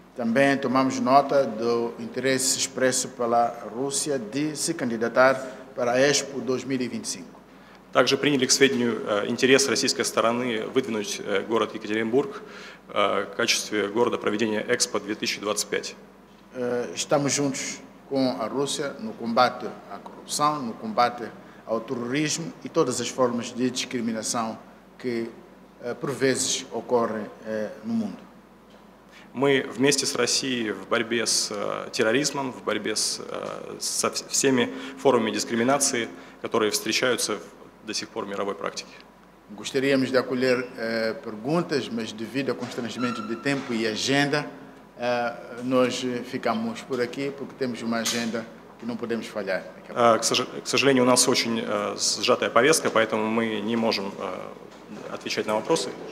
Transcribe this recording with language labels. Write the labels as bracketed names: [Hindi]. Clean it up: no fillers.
[Portuguese] Também tomamos nota do interesse expresso pela Rússia de se candidatar para a Expo 2025. [Russian] Также приняли к сведению интерес российской стороны выдвинуть город Екатеринбург в качестве города проведения Экспо 2025. [Portuguese] Estamos juntos com a Rússia no combate à corrupção, no combate ao terrorismo e todas as formas de discriminação que por vezes ocorrem no mundo. [Russian] Мы вместе с Россией в борьбе с терроризмом, в борьбе с, со всеми формами дискриминации, которые встречаются до сих пор в мировой практике. [Portuguese] Gostaríamos de acolher perguntas, mas devido ao constrangimento de tempo e agenda, nós ficamos por aqui porque temos uma agenda que não podemos falhar. [Russian] К сожалению, у нас очень сжатая повестка, поэтому мы не можем отвечать на вопросы.